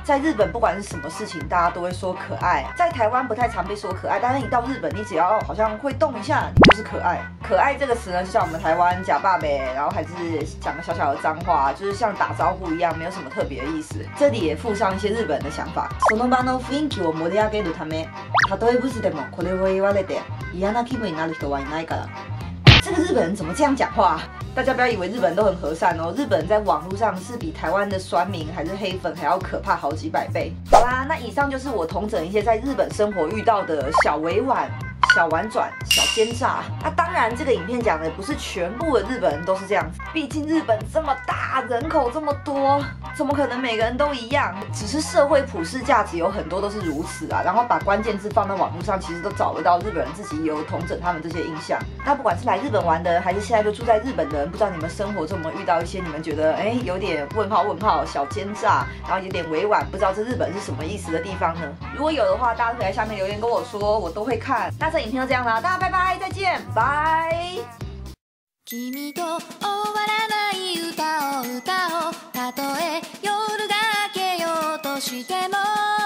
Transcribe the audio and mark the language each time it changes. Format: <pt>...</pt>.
<zh>在日本不管是什么事情大家都会说可爱，在台湾不太常被说可爱，但是你到日本你只要好像会动一下你就是可爱。可爱这个词呢，就像我们台湾假爸呗，然后还是讲个小小的脏话，就是像打招呼一样，没有什么特别的意思。这里也附上一些日本的想法。</zh> <ja>その場の雰囲気を盛り上げるため、たとえブスでもこれを言われて嫌な気分になる人はいないから。</ja> <zh>这个日本人怎么这样讲话？大家不要以为日本人都很和善哦，日本人在网络上是比台湾的酸民还是黑粉还要可怕好几百倍。好啦，那以上就是我统整一些在日本生活遇到的小委婉、小婉转、小奸诈。那当然，这个影片讲的不是全部的日本人都是这样子，毕竟日本这么大，人口这么多，怎么可能每个人都一样？只是社会普世价值有很多都是如此啊。然后把关键字放在网络上，其实都找得到日本人自己有统整他们这些印象。那不管是来日本玩的人，还是现在就住在日本的人，不知道你们生活中有没有遇到一些你们觉得有点问号问号、小奸诈，然后有点委婉，不知道这日本是什么意思的地方呢？如果有的话，大家可以在下面留言跟我说，我都会看。那这影片就这样啦，大家拜拜，再见，拜。</zh> <ja>君と終わらない歌を歌おう、たとえ夜が明けようとしても。</ja>